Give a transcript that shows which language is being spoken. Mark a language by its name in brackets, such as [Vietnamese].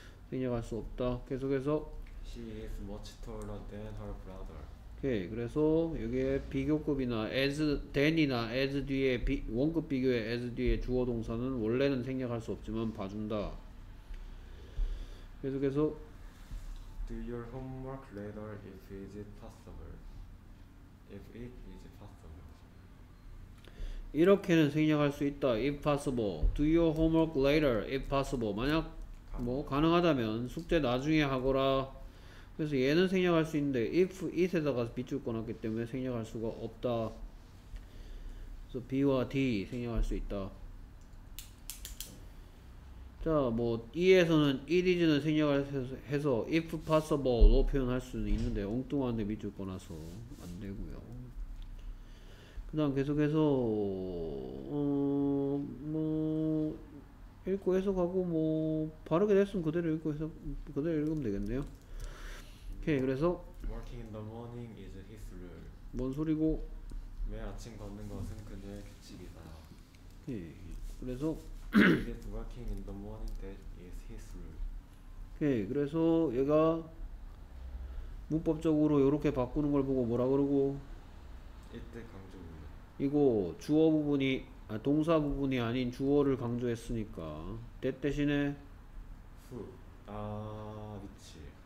[Korean] 생략할 수 없다. 계속해서 [English] She is much taller than her brother. [Korean] 오케이. 그래서 여기에 비교급이나 as, than이나 as 뒤에 비, 원급 비교에 as 뒤에 주어 동사는 원래는 생략할 수 없지만 봐준다. 계속해서 [English] Do your homework later if it is possible. If it is possible. [Korean] 이렇게는 생략할 수 있다. [English] If possible. Do your homework later if possible. [Korean] 만약 뭐 가능하다면 숙제 나중에 하거라. 그래서 얘는 생략할 수 있는데 if it에다가 밑줄 꺼놨기 때문에 생략할 수가 없다. 그래서 b와 d 생략할 수 있다. 자, 뭐 e에서는 it is는 생략을 해서 if possible로 표현할 수는 있는데 엉뚱한데 밑줄 꺼놔서 안 되고요. 그다음 계속해서 뭐 읽고 해석하고 뭐 바르게 됐으면 그대로 읽고 해석 그대로 읽으면 되겠네요. 오케이, 그래서 [English] Working in the morning is his rule. [Korean] 뭔 소리고? 매일 아침 걷는 것은 그녀의 규칙이다. 오케이, 그래서 [English] He is working in the morning that is his rule. [Korean] 오케이, 그래서 얘가 문법적으로 이렇게 바꾸는 걸 보고 뭐라 그러고? 이때 강조 부분. 이거 주어 부분이 아, 동사 부분이 아닌 주어를 강조했으니까 that 대신에 후. 아, 위치.